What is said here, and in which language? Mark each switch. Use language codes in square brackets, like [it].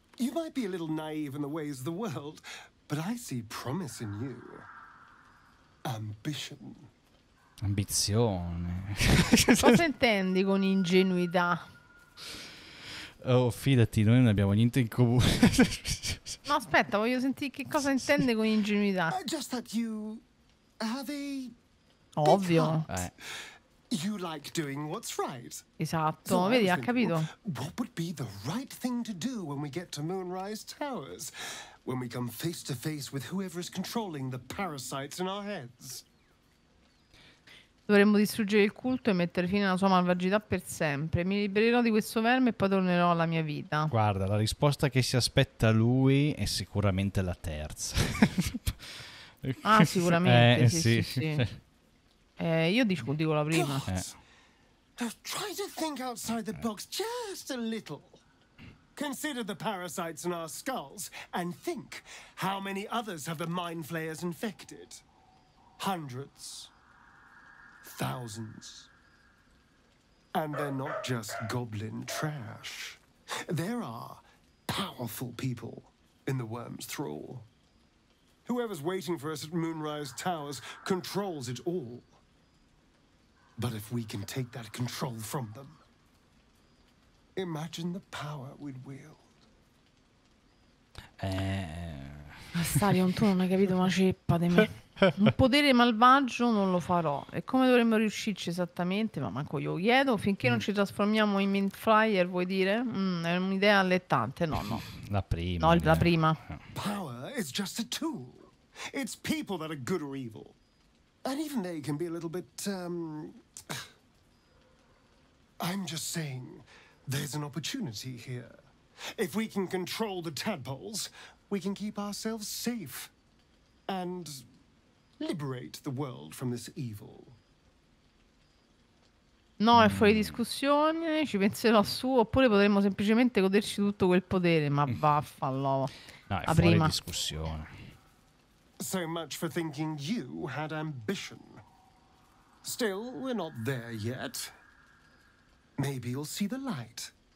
[en] You might be a little naive in the ways of the world, but I see promise in you. Ambition. [it] Ambizione. Cosa intendi con ingenuità? Oh, fidati, noi non abbiamo niente in comune. No, aspetta, voglio sentire che cosa intende con ingenuità. [en] Just that you have a... [it] Ovvio. [en] You like doing what's right. [it] Esatto, so vedi, ha capito. [en] What would be the right thing to do when we get to Moonrise Towers? When we come face to face with whoever is controlling the parasites in our heads? [it] Dovremmo distruggere il culto e mettere fine alla sua malvagità per sempre. Mi libererò di questo verme e poi tornerò alla mia vita. Guarda, la risposta che si aspetta lui è sicuramente la terza. Ah, sicuramente, sì. Io dico la prima. [en] Try to think outside the box just a little. Consider the parasites in our skulls and think how many others have the mind flayers infected. Hundreds, thousands. And they're not just goblin trash. There are powerful people in the worm's thrall. Whoever's waiting for us at Moonrise Towers controls it all. But if we can take that control from them, imagine the power we'd wield. [it] Starion, tu non hai capito una ceppa di me. Un potere malvagio non lo farò. E come dovremmo riuscirci esattamente? Ma manco io chiedo. Finché non ci trasformiamo in Mind Flayer, vuoi dire? È un'idea allettante. No. La prima. No, la prima. [en] Power is just a tool. It's people that are good or evil. And even they can be a little bit, I'm just saying, there's an opportunity here. If we can control the tadpoles, we can keep ourselves safe and liberate the world from this evil. [it] No, è fuori discussione, ci penserò su, oppure potremmo semplicemente goderci tutto quel potere, ma vaffanlo. No, è fuori discussione. [en] So much for thinking you had ambition. Still, we're not there yet. Maybe you'll see the light.